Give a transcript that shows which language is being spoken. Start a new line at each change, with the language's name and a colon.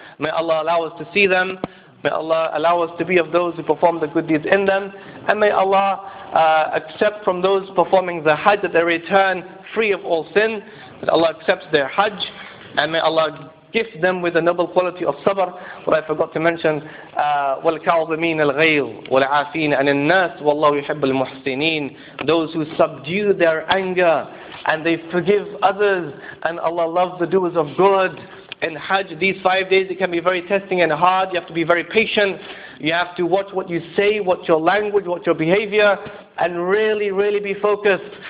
English: May Allah allow us to see them. May Allah allow us to be of those who perform the good deeds in them. And may Allah accept from those performing the Hajj that they return free of all sin. That Allah accepts their Hajj. And may Allah gift them with the noble quality of sabr. What I forgot to mention,
Arabic: وَالْكَعْظِمِينَ الْغَيْظِ وَالْعَافِينَ عَنِ النَّاسِ وَاللَّهُ يُحِبُّ الْمُحْسِنِينَ.
English: Those who subdue their anger and they forgive others, and Allah loves the doers of good. In Hajj, these 5 days, it can be very testing and hard. You have to be very patient. You have to watch what you say, watch your language, watch your behavior, and really, really be focused.